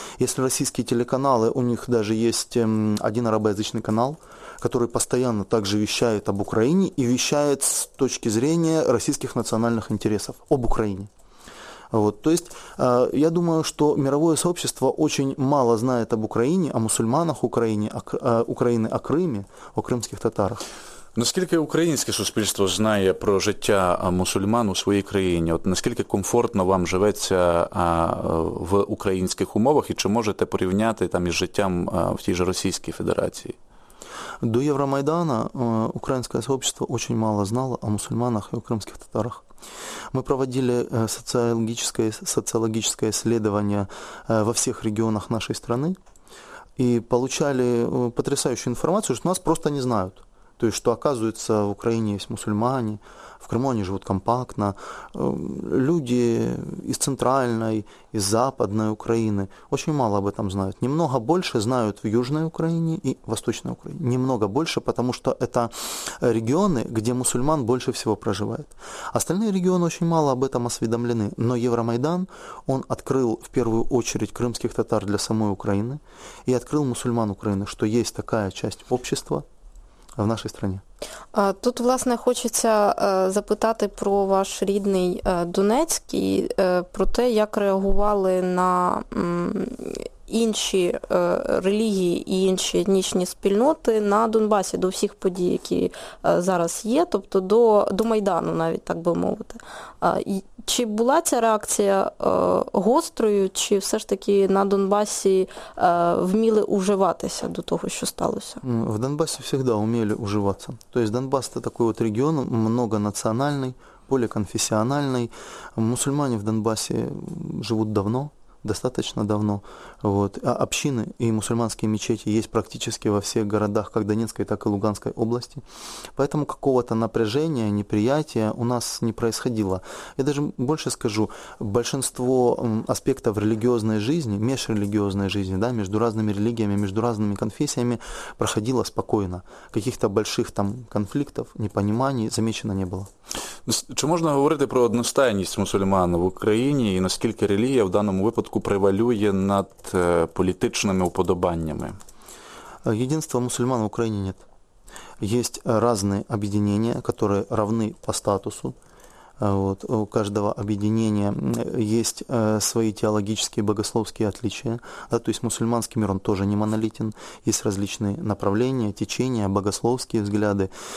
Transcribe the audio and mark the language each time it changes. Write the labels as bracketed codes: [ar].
[ru] Если российские телеканалы, у них даже есть один арабоязычный канал, который постоянно также вещает об Украине и вещает с точки зрения российских национальных интересов об Украине. Вот, то есть, я думаю, что мировое сообщество очень мало знает об Украине, о мусульманах Украине, Украины, о Крыме, о крымских татарах. [uk] Наскільки українське суспільство знає про життя мусульман у своїй країні? От наскільки комфортно вам живеться в українських умовах і чи можете порівняти там із життям в тій же Російській Федерації? До Євромайдана українське суспільство дуже мало знало о мусульманах і о кримських татарах. [ru] Мы проводили социологическое исследование во всех регионах нашей страны и получали потрясающую информацию, что нас просто не знают. То есть, что оказывается, в Украине есть мусульмане, в Крыму они живут компактно. Люди из центральной, из западной Украины очень мало об этом знают. Немного больше знают в Южной Украине и Восточной Украине. Немного больше, потому что это регионы, где мусульман больше всего проживает. Остальные регионы очень мало об этом осведомлены. Но Евромайдан, он открыл в первую очередь крымских татар для самой Украины и открыл мусульман Украины, что есть такая часть общества [uk] в нашій країні. Тут, власне, хочеться запитати про ваш рідний Донецьк і про те, як реагували на інші релігії і інші етнічні спільноти на Донбасі, до всіх подій, які зараз є, тобто до Майдану навіть, так би мовити. чи була ця реакція гострою, чи все ж таки на Донбасі вміли уживатися до того, що сталося? В Донбасі завжди вміли уживатися. Тобто Донбас – це такий от регіон, многонаціональний, поліконфесіональний. Мусульмані в Донбасі живуть давно. [ru] Достаточно давно. Вот. А общины и мусульманские мечети есть практически во всех городах, как Донецкой, так и Луганской области. Поэтому какого-то напряжения, неприятия у нас не происходило. Я даже больше скажу, большинство аспектов религиозной жизни, межрелигиозной жизни, да, между разными религиями, между разными конфессиями проходило спокойно. Каких-то больших там конфликтов, непониманий замечено не было. [uk] Чи можна говорити про одностайність мусульман в Україні і наскільки релігія в даному випадку превалює над політичними уподобаннями? Єдинства мусульман в Україні нет. Є різні об'єднання, які равні по статусу. Вот. У каждого об'єднання є свої теологічні, богословські отличия. [ru] Да, то есть мусульманский мир, он тоже не монолитен. Є различные направления, течения, богословские взгляды.